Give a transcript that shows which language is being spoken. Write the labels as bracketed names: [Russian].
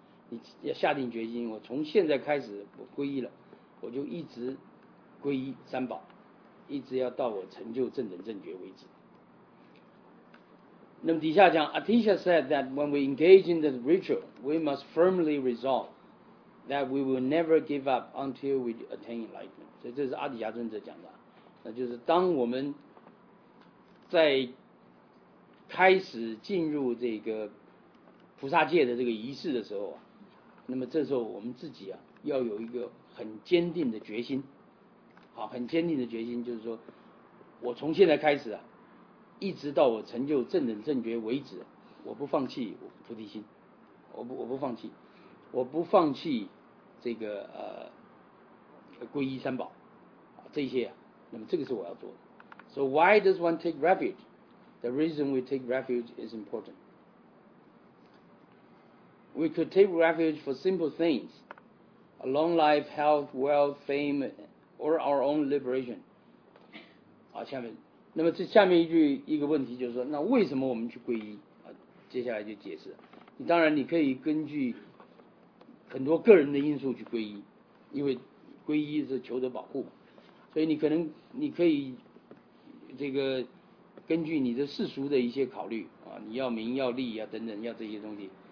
[Chinese] 你要下定决心，我从现在开始我皈依了，我就一直皈依三宝，一直要到我成就正等正觉为止。那么底下讲 [English] ，Atisha said that when we engage in the ritual, we must firmly resolve that we will never give up until we attain enlightenment。 [Chinese] 所以这是阿底峡尊者讲的，那就是当我们在开始进入这个菩萨戒的这个仪式的时候啊。那么这时候我们自己啊要有一个很坚定的决心，好，很坚定的决心，就是说我从现在开始啊，一直到我成就正等正觉为止，我不放弃菩提心，我不放弃这个皈依三宝这些啊，那么这个是我要做的。 [English] So why does one take refuge? The reason we take refuge is importantWe could take refuge for simple things, a long life, health, wealth, fame, or our own liberation. [Chinese] 好，下面，那么这下面一句一个问题就是说，那为什么我们去皈依？啊，接下来就解释。你当然你可以根据很多个人的因素去皈依，因为皈依是求得保护，所以你可以这个根据你的世俗的一些考虑啊，你要名要利啊等等要这些东西。